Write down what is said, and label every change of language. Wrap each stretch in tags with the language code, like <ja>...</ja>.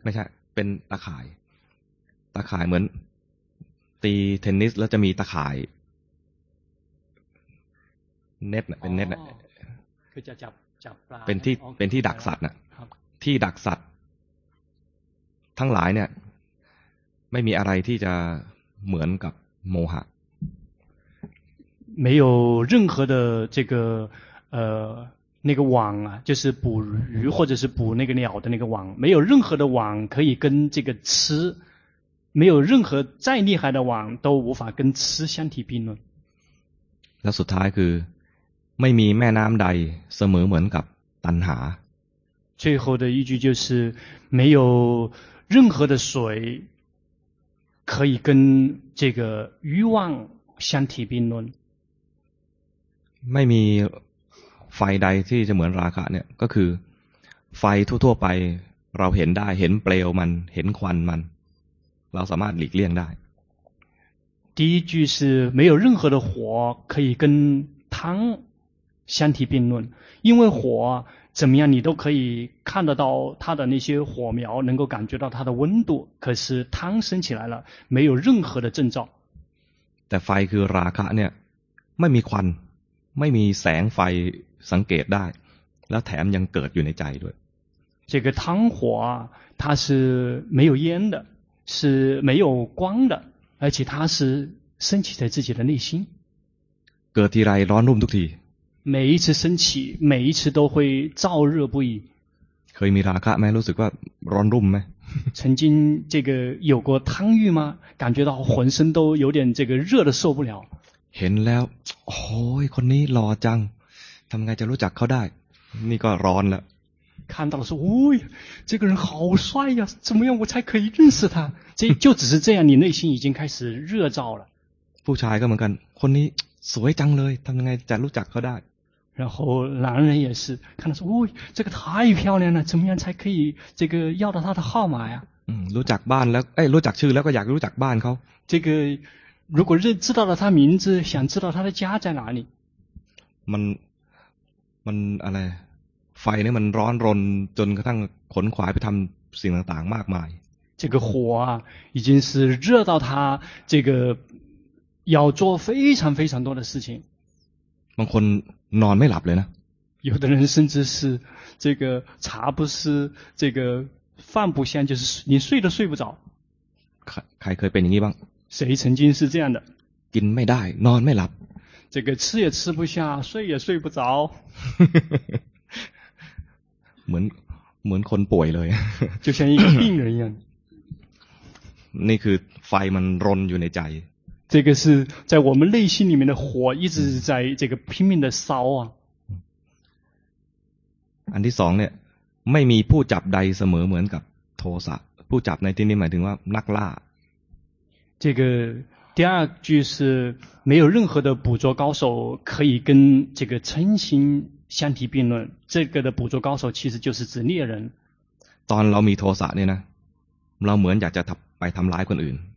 <th>ไม่ใช่เป็นตาข่ายตาข่ายเหมือนตีเทนนิสแล้วจะมีตาข่ายเน็ตเป็นเน็ต คือจะจับปลา เป็นที่ดักสัตว์น่ะที่ดักสัตว์ทั้งหลายเนี่ยไม่มีอะไรที่จะเหมือนกับโมหะ</th> <zh>没有任何的这个那个网啊，就是捕鱼或者是捕那个鸟的那个网，没有任何的网可以跟这个吃，没有任何再厉害的网都无法跟吃相提并论。</zh> <th>那สุดท้ายคือไม่มีแม่น้ำใดเสมอเหมือนกับตัณหา</th> <zh>最后的一句就是没有任何的水可以跟这个欲望相提并论。</zh> <th>ไม่มีไฟใดที่จะเหมือนราคะเนี่ยก็คือไฟทั่วๆไปเราเห็นได้เห็นเปลวมันเห็นควันมันเราสามารถหลีกเลี่ยงได้</th> <zh>第一句是没有任何的火可以跟贪相提并论因为火怎么样你都可以看得到它的那些火苗能够感觉到它的温度可是贪升起来了没有任何的征兆</zh> <th>แต่ไฟคือราคะเนี่ยไม่มีควันไม่มีแสงไฟสังเกตได้แล้วแถมยังเกิดอยู่ในใจด้วย</th> <zh>这个贪火它是没有烟的是没有光的而且它是升起在自己的内心</zh> <th>เกิดทีไรร้อนรุ่มทุกที</th> <zh>每一次升起每一次都会燥热不已</zh> <th>เคยมีราคะไหมรู้สึกว่าร้อนรุ่มไหม</th> <zh>曾经这个有过贪欲吗感觉到浑身都有点这个热的受不了</zh> <th>เห็นแล้วโอ้ยคนนี้หล่อจังทำไงจะรู้จักเขาได้นี่ก็ร้อนแล้ว</th> <zh>看到了说哎呀这个人好帅呀怎么样我才可以认识他这就只是这样你内心已经开始热燥了</zh> <th>ผู้ชายก็เหมือนกันคนนี้สวยจังเลยทำไงจะรู้จักเขาได้</th> <zh>然后男人也是看到说哎呀这个太漂亮了怎么样才可以这个要到他的号码呀</zh> <th>รู้จักบ้านแล้วรู้จักชื่อแล้วก็อยากรู้จักบ้านเขา</th> <zh>这个如果认知道了他名字想知道他的家在哪里</zh> <th>มันอะไรไฟเนี่ยมันร้อนรนจนกระทั่งขนขวายไปทําสิ่งต่างๆมากมาย</th> <zh>这个火啊已经是热到他这个要做非常非常多的事情</zh> <th>บางคนนอนไม่หลับเลยนะ</th> <zh>有的人甚至是这个茶不思这个饭不香就是你睡都睡不着</zh> <th>ใครเคยเป็นอย่างนี้บ้าง</th> <zh>谁曾经是这样的</zh> <th>กินไม่ได้นอนไม่หลับ</th> <zh>这个吃也吃不下睡也睡不着</zh> <th>เหมือนคนป่วยเลย</th> <zh>就像一个病人一样</zh> <th>นี่คือไฟมันรนอยู่ในใจ</th> <zh>这个是在我们内心里面的火一直在这个拼命的烧啊</zh> <th>อันที่สองเนี่ยไม่มีผู้จับใดเสมอเหมือนกับโทสะ 不จับในที่นี้หมายถึงว่านักล่า</th> <zh>这个第二句是没有任何的捕捉高手可以跟这个嗔心相提并论这个的捕捉高手其实就是指猎人</zh> <th>ตอนเรามีโทสะเนี่ยนะเราเหมือนอยากจะไปทำร้ายคนอื่น</th>